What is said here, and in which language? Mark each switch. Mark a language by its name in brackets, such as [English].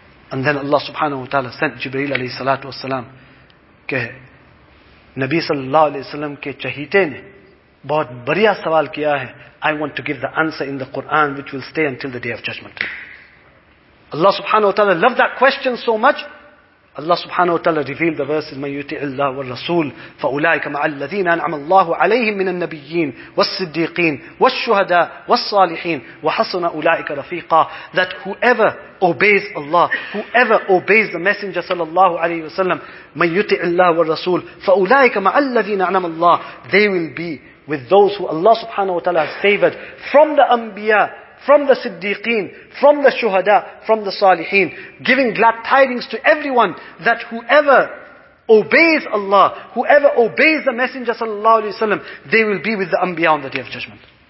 [English] And then Allah subhanahu wa ta'ala sent Jibreel alayhi salatu wasalam, Nabi sallallahu alayhi wa sallam [Urdu] ke chahite ne bahut badhiya sawal kiya hai. [English] I want to give the answer in the Quran, which will stay until the day of judgment. Allah subhanahu wa ta'ala loved that question so much. Allah subhanahu wa ta'ala revealed the verses, [Arabic] مَنْ يُتِعِ اللَّهُ وَالرَّسُولُ فَأُولَٰئِكَ مَعَ الَّذِينَ أَنْعَمَ اللَّهُ عَلَيْهِمْ مِنَ النَّبِيِّينَ وَالصِّدِّيقِينَ وَالشُّهَدَاءِ وَالصَّالِحِينَ وَحَسُنَ أُولَٰئِكَ رَفِيقًا. [English] That whoever obeys Allah, whoever obeys the Messenger sallallahu alayhi wa sallam, [Arabic] مَنْ يُتِعِ اللَّهُ وَالرَّسُولُ فَأُولَٰئِكَ مَعَ الَّذِينَ أَنْعَمَ اللَّهُ. [English] They will be with those who Allah subhanahu wa ta'ala has favored from the Anbiya, from the Siddiqeen, from the Shuhada, from the Salihin, giving glad tidings to everyone that whoever obeys Allah, whoever obeys the Messenger sallallahu alayhi wa sallam, they will be with the Anbiya on the Day of Judgment.